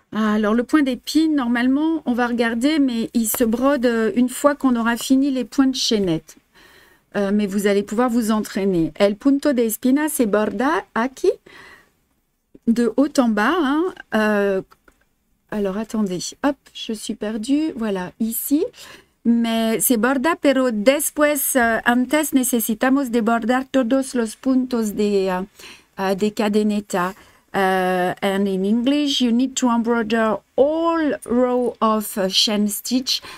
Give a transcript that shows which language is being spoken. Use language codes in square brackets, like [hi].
[fr] Alors, le point d'épine, normalement, on va regarder, mais il se brode une fois qu'on aura fini les points de chaînette. Mais vous allez pouvoir vous entraîner. [es] El punto de espina se borda aquí, [fr] de haut en bas. Hein. Alors, attendez. Hop, je suis perdue. Voilà, ici. [es] Mais se borda, pero después, antes, necesitamos de bordar todos los puntos de cadeneta. [en] And in English, you need to embroider all row of chain stitch.